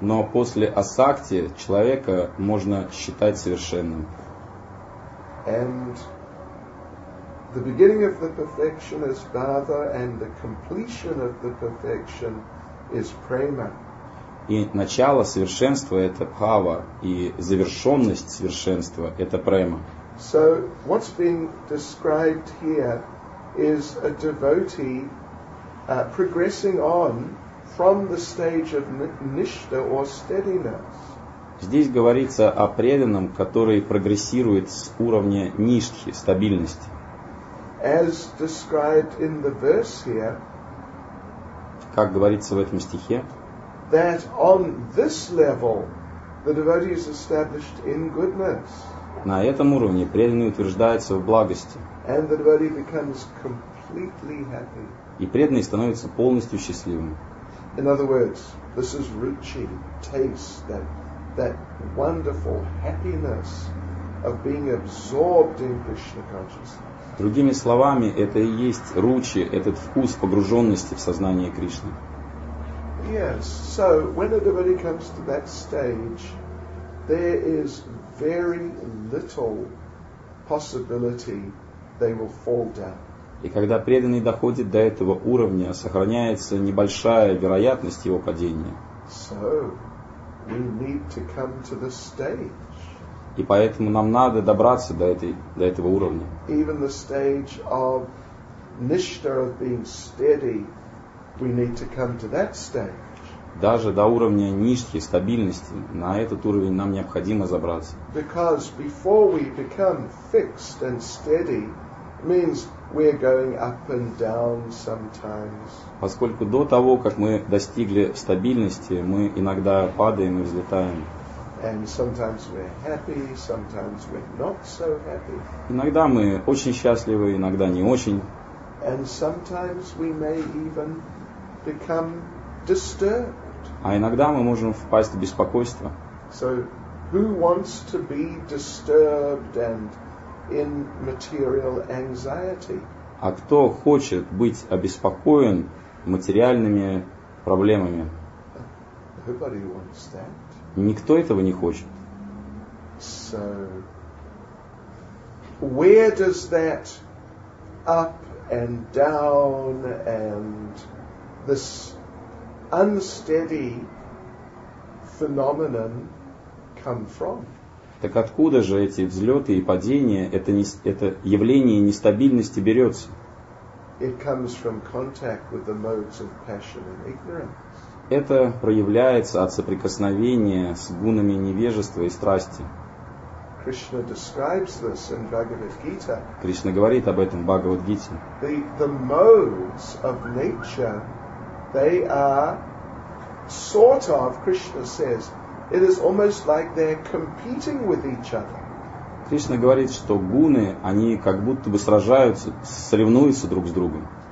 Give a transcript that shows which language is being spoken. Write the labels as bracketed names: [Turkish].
[Russian] Но после асакти человека можно считать совершенным. [English] And the beginning of the perfection is bhava, and the completion of the perfection is prema. [Russian] И начало совершенства — это бхава, и завершенность совершенства — это према. [English] So what's being described here is a devotee progressing on from the stage of nishta, or steadiness. [Russian] Здесь говорится о преданном, который прогрессирует с уровня ништхи, стабильности. [English] As described in the verse here, [Russian] как говорится в этом стихе, [English] that on this level the devotee is established in goodness. [Russian] На этом уровне преданный утверждается в благости. [English] And the devotee becomes completely happy. [Russian] И преданный становится полностью счастливым. [English] In other words, this is ruchi, taste, that wonderful happiness of being absorbed in Krishna consciousness. [Russian] Другими словами, это и есть ручи, этот вкус погруженности в сознание Кришны. [English] Yes, so when a devotee comes to that stage, there is very little possibility they will fall down. [Russian] И когда преданный доходит до этого уровня, сохраняется небольшая вероятность его падения. [English] So, we need to come to the stage. [Russian] И поэтому нам надо добраться до этого уровня. [English] Even the stage of nishtha, of being steady, we need to come to that stage. [Russian] Даже до уровня ништхи, стабильности, на этот уровень нам необходимо забраться. [English] Because before we become fixed and steady, means we're going up and down sometimes. [Russian] Поскольку до того, как мы достигли стабильности, мы иногда падаем и взлетаем. [English] And sometimes we're happy, sometimes we're not so happy. [Russian] Иногда мы очень счастливы, иногда не очень. [English] And sometimes we may even become disturbed. [Russian] А иногда мы можем впасть в беспокойство. [English] So who wants to be disturbed and in material anxiety? [Russian] А кто хочет быть обеспокоен материальными проблемами? [English] Nobody wants that. [Russian] Никто этого не хочет. [English] So where does that up and down and this unsteady phenomenon come from? [Russian] Так откуда же эти взлеты и падения, это явление нестабильности берется? [English] It comes from contact with the modes of passion and ignorance. [Russian] Это проявляется от соприкосновения с гунами невежества и страсти. [English] Krishna describes this in Bhagavad Gita. [Russian] Кришна говорит об этом в Бхагавад Гите. [English] The modes of nature, they are sort of, Krishna says, it is almost like they're competing with each other. [Russian] Кришна говорит, что гуны, они как будто бы сражаются, соревнуются друг с другом.